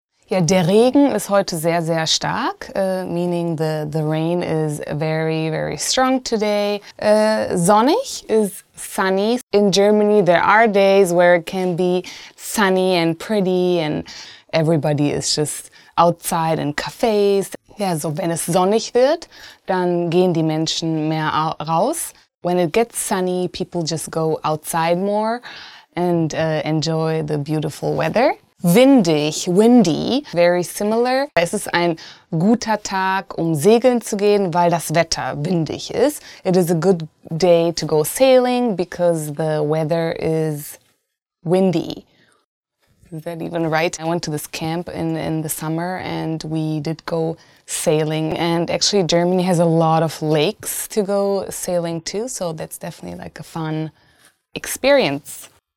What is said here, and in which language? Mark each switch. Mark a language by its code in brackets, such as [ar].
[de] Ja, der Regen ist heute sehr, sehr stark, [en] meaning the rain is very, very strong today. Sonnig is sunny. In Germany, there are days where it can be sunny and pretty and everybody is just outside in cafes. [de] Ja, so wenn es sonnig wird, dann gehen die Menschen mehr raus. [en] When it gets sunny, people just go outside more and enjoy the beautiful weather. Windig, windy, very similar. [de] Es ist ein guter Tag, um segeln zu gehen, weil das Wetter windig ist. [en] It is a good day to go sailing because the weather is windy. Is that even right? I went to this camp in the summer and we did go sailing. And actually Germany has a lot of lakes to go sailing to, so that's definitely like a fun experience.